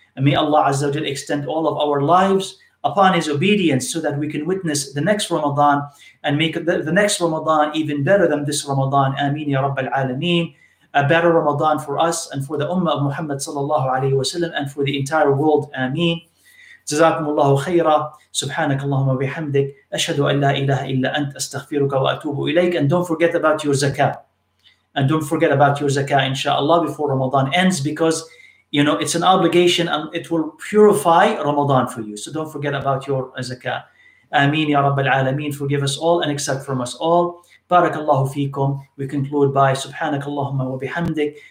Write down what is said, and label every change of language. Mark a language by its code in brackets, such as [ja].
[en] And may Allah Azza wa Jal extend all of our lives upon His obedience so that we can witness the next Ramadan and make the next Ramadan even better than this Ramadan. Ameen, Ya Rabbal Alameen. A better Ramadan for us and for the Ummah of Muhammad sallallahu alayhi wa sallam and for the entire world. Ameen. [ar] جزاكم الله خيرا سبحانك اللهم وبحمدك أشهد أن لا إله إلا أنت أستغفرك وأتوب إليك. [en] And don't forget about your zakah. And don't forget about your zakah, inshallah, before Ramadan ends, because, you know, it's an obligation and it will purify Ramadan for you. So don't forget about your zakah. Ameen, Ya Rabbal Alameen. Forgive us all and accept from us all. Barakallahu feekum. We conclude by Subhanakallahumma wa bihamdik.